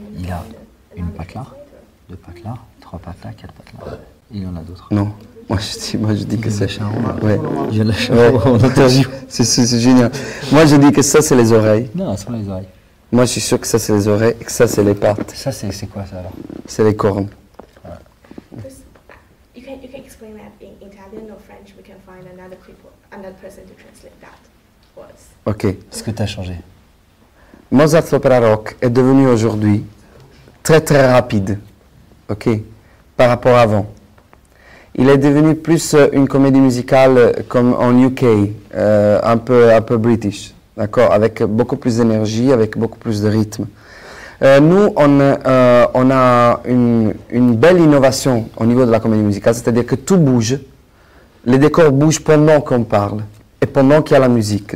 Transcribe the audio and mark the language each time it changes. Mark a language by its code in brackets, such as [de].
[fr] Il a une patte là, deux pattes là, trois pattes là, quatre pattes là. Il y en a d'autres. Non. Moi je dis que c'est... Je lâche un roman en interview. C'est génial. Moi je dis que ça c'est les oreilles. Non, ce sont les oreilles. Moi, je suis sûr que ça, c'est les oreilles et que ça, c'est les pattes. Ça, c'est quoi, ça, alors? C'est les cornes. [en] You can explain that in Italian or French. We can find another person to translate that words. Okay. [fr] Ce que tu as changé. Mozart, l'opéra rock, est devenu aujourd'hui très, très rapide. Okay. Par rapport à avant. Il est devenu plus une comédie musicale comme en UK, un peu british. D'accord, avec beaucoup plus d'énergie, avec beaucoup plus de rythme. Nous, on a une belle innovation au niveau de la comédie musicale, c'est-à-dire que tout bouge, les décors bougent pendant qu'on parle et pendant qu'il y a la musique.